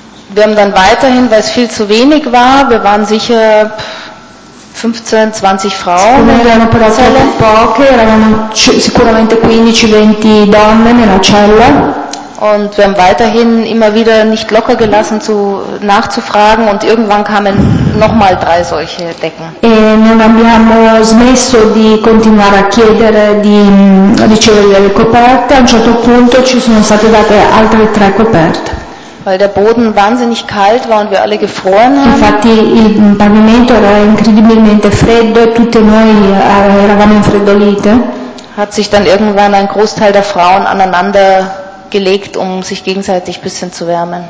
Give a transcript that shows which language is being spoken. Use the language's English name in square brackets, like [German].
[German] Wir haben dann weiterhin, weil es viel zu wenig war, wir waren sicher 15, 20 Frauen. Wir haben operiert [Italian] poche, eravamo sicuramente 15, 20 donne nella cella. [German] Und wir haben weiterhin immer wieder nicht locker gelassen, nachzufragen, und irgendwann kamen nochmal drei solche Decken. [Italian] E non abbiamo smesso di continuare a chiedere di ricevere delle coperte. A un certo punto ci sono state date altre tre coperte. [German] Weil der Boden wahnsinnig kalt war und wir alle gefroren haben. [Italian] Infatti il pavimento era incredibilmente freddo e tutte noi eravamo infreddolite. [German] Hat sich dann irgendwann ein Großteil der Frauen aneinander gelegt, um sich gegenseitig ein bisschen zu wärmen.